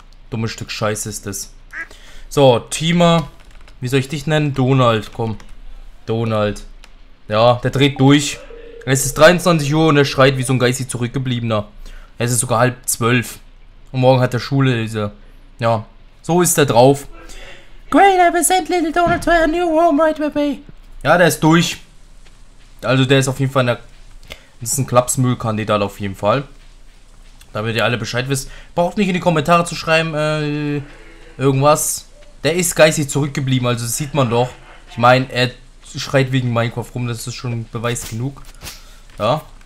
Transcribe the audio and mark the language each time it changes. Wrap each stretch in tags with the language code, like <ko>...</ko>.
<de>Dummes Stück Scheiße ist das. So, Tima, wie soll ich dich nennen? Donald, komm. Donald. Ja, der dreht durch. Es ist 23 Uhr und er schreit wie so ein geistig zurückgebliebener. Es ist sogar 11:30. Und morgen hat er Schule, Ilse. Ja, so ist er drauf.</de> <en>Great, I will send little Donald to a new home right with me.</en> <de>Ja, der ist durch. Also der ist auf jeden Fall in der... Das ist ein Klapsmüllkandidat auf jeden Fall. damit ihr alle Bescheid wisst. Braucht nicht in die Kommentare zu schreiben, irgendwas. Der ist geistig zurückgeblieben, also das sieht man doch. Ich meine, er schreit wegen Minecraft rum, das ist schon Beweis genug. Ja.</de>